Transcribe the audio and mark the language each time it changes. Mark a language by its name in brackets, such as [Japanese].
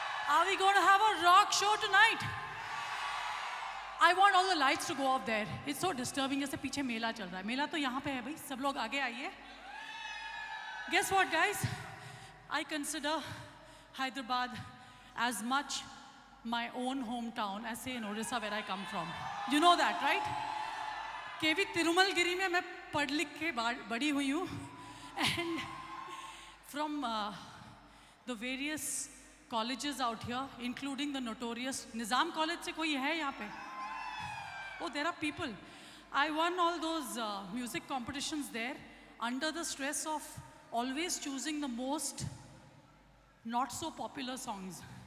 [English] Are we going to have a rock show tonight? I want all the lights to go off there. It's so disturbing. [Hindi] जैसे पीछे मेला चल रहा है. मेला तो यहाँ पे है भाई. सब लोग आगे आइए. [English] Guess what, guys? I consider Hyderabad as much my own hometown as say in Odisha where I come from. You know that, right? [Hindi] केवी तिरुमल गिरी में मैं पढ़ लिख के बड़ी हुई हूँ. [English] And from the various colleges out here, including the notorious Nizam College, [Hindi] से कोई है यहाँ पे? [English] Oh, there are people. I won all those music competitions there under the stress of always choosing the most not so popular songs.